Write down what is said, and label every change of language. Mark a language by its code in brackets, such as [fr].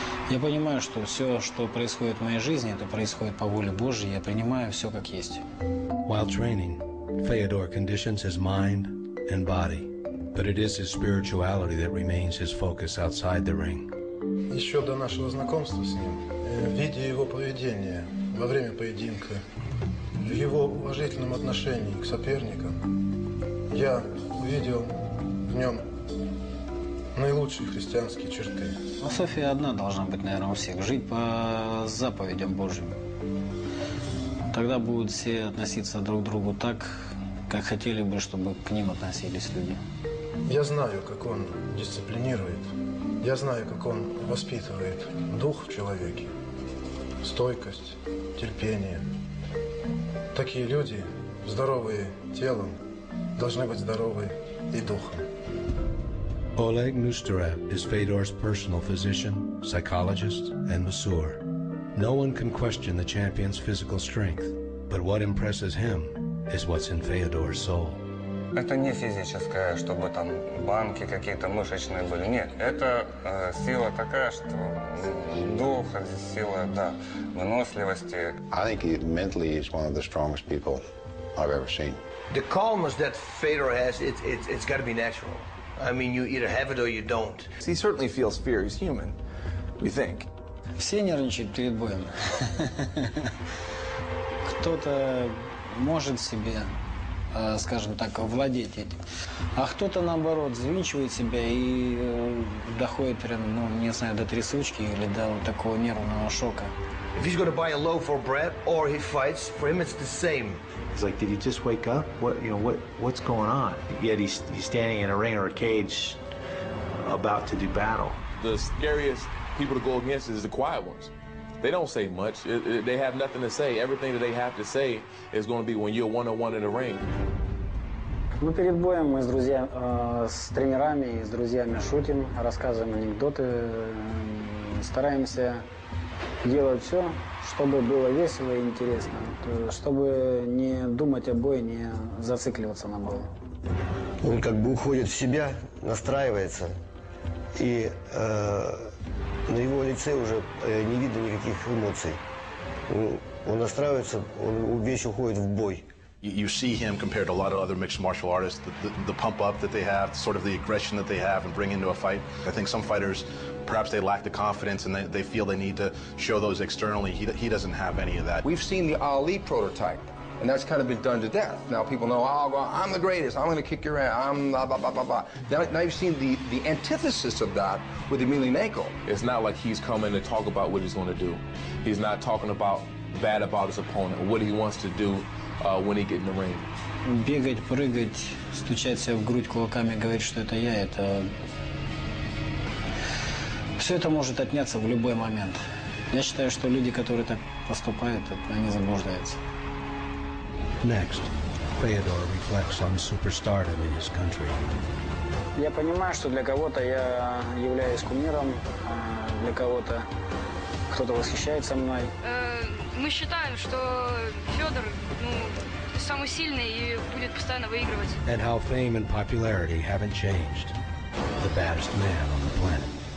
[ru] Я понимаю, что все, что происходит в моей жизни, это происходит по воле Божьей. Я принимаю все, как есть. [en] While training, Fedor conditions his mind and body. But it is his spirituality that remains his focus outside the ring. [ru] Еще до нашего знакомства с ним, видя его поведение во время поединка, в его уважительном отношении к соперникам, я увидел в нем наилучшие христианские черты. Философия одна должна быть, наверное, у всех. Жить по заповедям Божьим. Тогда будут все относиться друг к другу так, как хотели бы, чтобы к ним относились люди. Я знаю, как он дисциплинирует. Я знаю, как он воспитывает дух в человеке. Стойкость, терпение. Такие люди, здоровые телом, должны быть здоровы и духом. [en] Oleg Nusterev is Fedor's personal physician, psychologist, and masseur. No one can question the champion's physical strength, but what impresses him is what's in Fedor's soul. [ru] Это не физическое, чтобы там банки какие-то мышечные были. Нет, это сила такая, что дух, сила, да, выносливости. [en] I think he mentally is one of the strongest people I've ever seen. The calmness that Fedor has, it's got to be natural. I mean, you either have it or you don't. He certainly feels fear. He's human, we think. [ru] Все нервничают перед боем. Кто-то может себе, скажем так, овладеть этим. А кто-то, наоборот, взвинчивает себя и доходит прям, ну, не знаю, до трясучки или до вот такого нервного шока. [en] If he's going to buy a loaf of bread or he fights, for him it's the same. He's like, did he just wake up? What, you know, what's going on? Yet he's standing in a ring or a cage about to do battle. The scariest people to go against is the quiet ones. They don't say much. They have nothing to say. Everything that they have to say is going to be when you're one-on-one in the ring. [ru] Мы перед боем мы с друзьями, с тренерами и с друзьями шутим, рассказываем анекдоты, стараемся делать все, чтобы было весело и интересно, чтобы не думать о бое, не зацикливаться на бою. Он как бы уходит в себя, настраивается, и на его лице уже не видно никаких эмоций. Он настраивается, он весь уходит в бой. [en] You see him compared to a lot of other mixed martial artists, the pump up that they have, sort of the aggression that they have and bring into a fight. I think some fighters, perhaps they lack the confidence and they feel they need to show those externally. He doesn't have any of that. We've seen the Ali prototype, and that's kind of been done to death. Now people know, oh, well, I'm the greatest, I'm going to kick your ass, I'm blah, blah, blah, blah, blah. Now you've seen the antithesis of that with Emelianenko. It's not like he's coming to talk about what he's going to do. He's not talking about bad about his opponent, what he wants to do. When he get in the ring. [ru] Бегать, прыгать, стучать себя в грудь кулаками, говорить, что это я, это все это может отняться в любой момент. Я считаю, что люди, которые так поступают, они заблуждаются. [en] Next, Fedor reflects on superstardom in his country. [ru] Я понимаю, что для кого-то я являюсь кумиром, для кого-то кто-то восхищается мной. Мы считаем, что Федор, ну, самый сильный и будет постоянно выигрывать. [en] And how fame and popularity haven't changed. The baddest man on the planet.